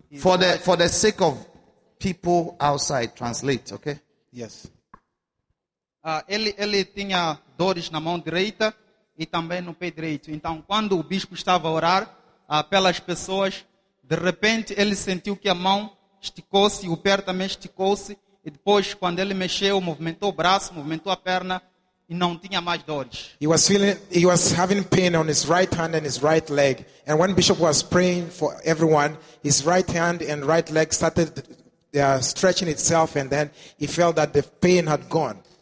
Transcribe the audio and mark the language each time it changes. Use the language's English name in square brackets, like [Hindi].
[English] For the sake of people outside, translate, okay? Yes. [Portuguese] Ele tinha dores na mão direita e também no pé direito. Então, quando o bispo estava a orar pelas pessoas, de repente ele sentiu que a mão esticou-se, o pé também esticou-se. E depois, quando ele mexeu, movimentou o braço, movimentou a perna e não tinha mais dores. [English] He was having pain on his right hand and his right leg. And when bishop was praying for everyone, his right hand and right leg started stretching itself and then he felt that the pain had gone.